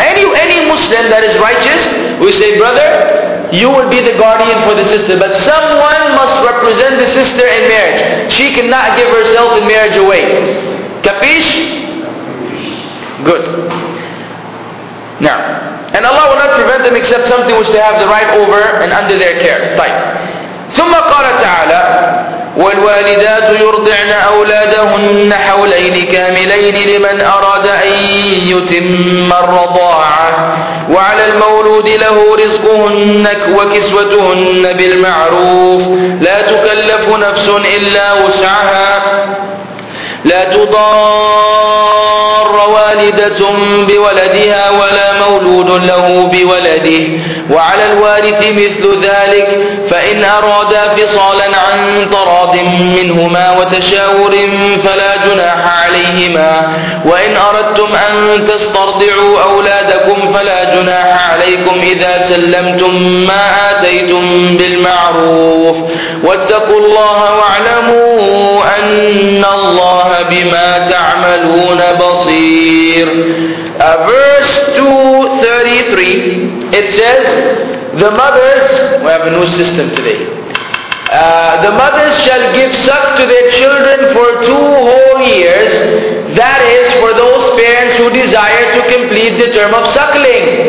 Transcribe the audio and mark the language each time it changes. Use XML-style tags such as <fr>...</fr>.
<en>Any Muslim that is righteous, we say, brother, you will be the guardian for the sister. But someone must represent the sister in marriage. She cannot give herself in marriage away. Kapish? Good. Now, and Allah will not prevent them except something which they have the right over and under their care. Fine.</en> <ar>ثم قال تعالى والوالدات يرضعن أولادهن حولين كاملين لمن أراد أن يتم الرضاعة وعلى المولود له رزقهن وكسوتهن بالمعروف لا تكلف نفس إلا وسعها لا تضار والدة بولدها ولا مولود له بولده وعلى الوارث مثل ذلك فإن أرادا فصالا عن تراض منهما وتشاور فلا جناح عليهما وإن أردتم أن تسترضعوا أولادكم فلا جناح عليكم إذا سلمتم ما آتيتم بالمعروف واتقوا الله واعلموا أن الله بما تعملون بصير.</ar> <en>Verse 233, it says, the mothers, we have a new system today. The mothers shall give suck to their children for 2 whole years. That is for those parents who desire to complete the term of suckling.</en>